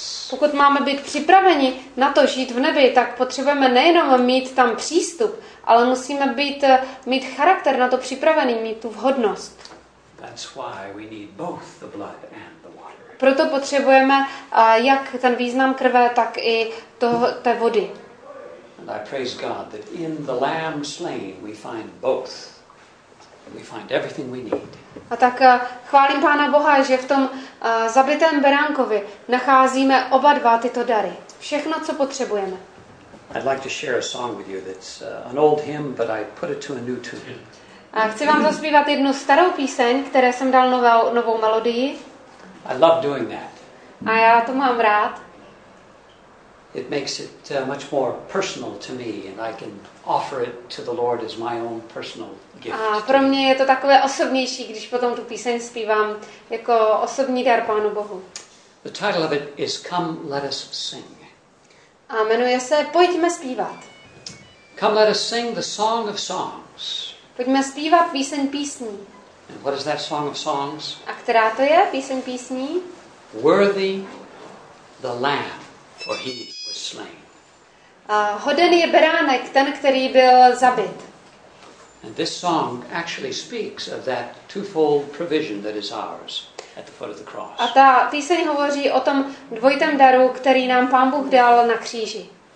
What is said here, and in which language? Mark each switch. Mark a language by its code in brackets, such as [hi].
[cs] pokud máme být připraveni na to žít v nebi, tak potřebujeme nejenom mít tam přístup, ale musíme mít charakter na to připravený, mít tu vhodnost. [en] That's why we need both the blood and the water. [cs] Proto potřebujeme jak ten význam krve, tak i té vody. [en] And I praise God that in the lamb slain we find both. We find everything we need. [cs] A tak chválím Pána Boha, že v tom zabitém beránkovi nacházíme oba 2 tyto dary. Všechno, co potřebujeme. [en] I'd like to share a song with you that's an old hymn, but I put it to a new tune. [cs] A chci vám zaspívat jednu starou píseň, které jsem dal novou melodii. [en] I love doing that. [cs] A já to mám rád. [en] It makes it much more personal to me and I can offer it to the Lord as my own personal gift. [cs] A pro mě je to takové osobnější, když potom tu píseň zpívám jako osobní dar Pánu Bohu. [en] The title of it is Come Let Us Sing. [cs] A jmenuje se Pojďme zpívat. [en] Come Let Us Sing the Song of Songs. [cs] Pojďme zpívat píseň písní. [en] And what is that Song of Songs? [cs] A která to je píseň písní? [en] Worthy the Lamb, for He was slain. [cs] Hoden je beránek, ten, který byl zabit. [en] And this song actually speaks of that twofold provision that is ours at the foot of the cross. [cs] A ta píseň hovoří o tom dvojitém daru, který nám Pán Bůh dal na kříži.